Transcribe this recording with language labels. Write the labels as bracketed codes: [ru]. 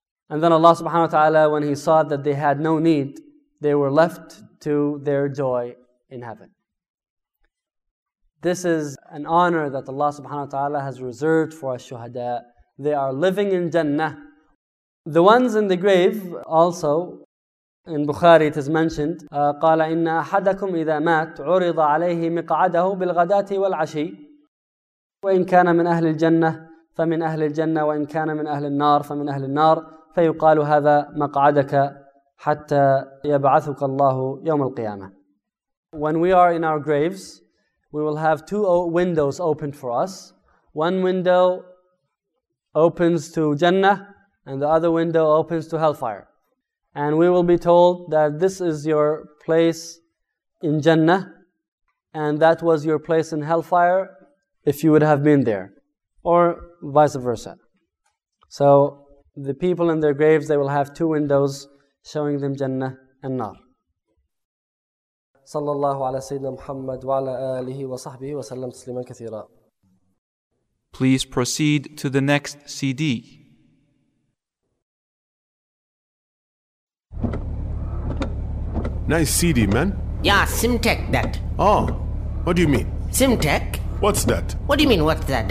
[en] And then Allah subhanahu wa ta'ala, when He saw that they had no need, they were left to their joy in heaven. This is an honor that Allah subhanahu wa ta'ala has reserved for us shuhada. They are living in Jannah. [ar] The ones in the grave also, in Bukhari it is mentioned, قَالَ إِنَّ أَحَدَكُمْ إِذَا مَاتْ عُرِضَ عَلَيْهِ مِقْعَدَهُ بِالْغَدَاتِ وَالْعَشِي وَإِنْ كَانَ مِنْ أَهْلِ الْجَنَّةِ فَمِنْ أَهْلِ الْجَنَّةِ وَإِنْ كَانَ مِنْ أَهْلِ النَّارِ فَمِنْ أَهْلِ النَّارِ فَيُقَالُ هَذَا مَقْعَدَكَ حَتَّى يَبْعَثُكَ اللَّهُ يَوْمَ الْقِيَامَةِ. [en] When we are in our graves, we will have two windows opened for us. One window opens to Jannah, and the other window opens to hellfire. And we will be told that this is your place in Jannah, and that was your place in hellfire, if you would have been there. Or vice versa. So the people in their graves, they will have two windows showing them Jannah and Nar. [ar] صلى الله على سيدنا محمد وعلى آله وصحبه وسلم تسليما كثيرا. [en] Please proceed to the next CD. Nice CD, man. Yeah, Simtek that. Oh, what do you mean? Simtek? What's that? What do you mean, what's that?